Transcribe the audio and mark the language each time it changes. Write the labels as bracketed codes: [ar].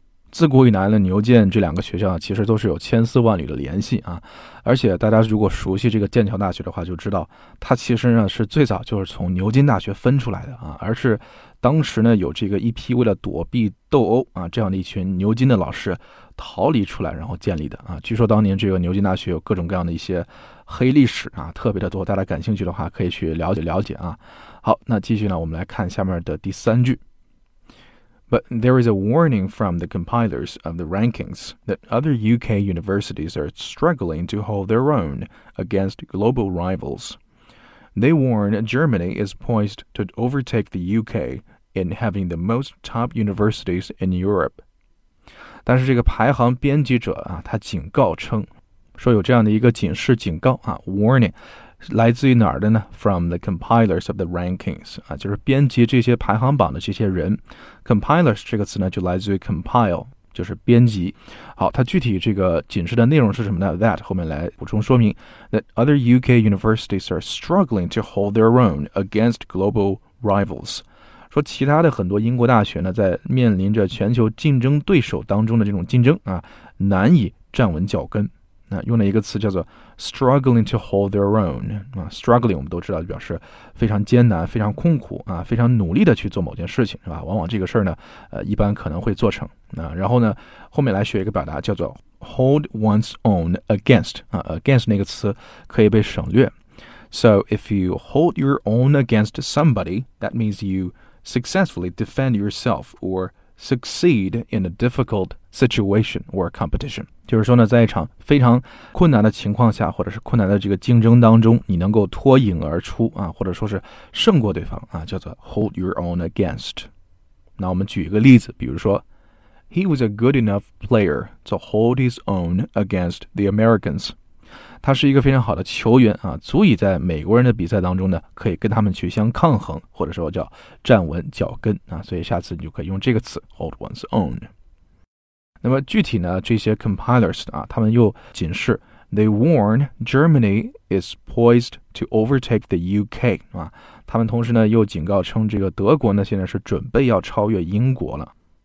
[zh] 自古以来呢，牛剑这两个学校其实都是有千丝万缕的联系啊，而且大家如果熟悉这个剑桥大学的话，就知道它其实呢是最早就是从牛津大学分出来的啊，而是当时呢有这个一批为了躲避斗殴啊这样的一群牛津的老师逃离出来然后建立的啊。据说当年这个牛津大学有各种各样的一些黑历史啊，特别的多，大家感兴趣的话可以去了解了解啊。好，那继续呢，我们来看下面的第三句。 [en] But there is a warning from the compilers of the rankings that other UK universities are struggling to hold their own against global rivals. They warn Germany is poised to overtake the UK in having the most top universities in Europe. [zh] 但是这个排行编辑者啊，他警告称，说有这样的一个警示警告啊 ，warning。来自于哪儿的呢 ？ [en] From the compilers of the rankings [zh] 啊，就是编辑这些排行榜的这些人。 Compilers 这个词呢，就来自于 compile， 就是编辑。好，它具体这个警示的内容是什么呢 ？That 后面来补充说明。 [en] That other UK universities are struggling to hold their own against global rivals。 [zh] 说其他的很多英国大学呢，在面临着全球竞争对手当中的这种竞争啊，难以站稳脚跟。那用了一个词叫做 [en] struggling to hold their own [zh] 啊 ，struggling 我们都知道表示非常艰难、非常痛苦啊，非常努力的去做某件事情，是吧？往往这个事儿呢，一般可能会做成。那、啊、然后呢，后面来学一个表达叫做 [en] hold one's own against [zh] 啊 ，against 那个词可以被省略。 [en] So if you hold your own against somebody, that means you successfully defend yourself or succeed in a difficult situation or competition. [zh] 就是说呢，在一场非常困难的情况下，或者是困难的这个竞争当中，你能够脱颖而出啊，或者说是胜过对方啊，叫做 [en] hold your own against。 [zh] 那我们举一个例子，比如说 [en] ，He was a good enough player to hold his own against the Americans。 [zh] 他是一个非常好的球员啊，足以在美国人的比赛当中呢，可以跟他们去相抗衡，或者说叫站稳脚跟啊。所以下次你就可以用这个词 [en] hold one's own。 [zh] 那么具体呢这些 compilers 啊，他们又警示 [en] They warn Germany is poised to overtake the UK、 [zh] 啊、他们同时呢又警告称这个德国呢现在是准备要超越英国了。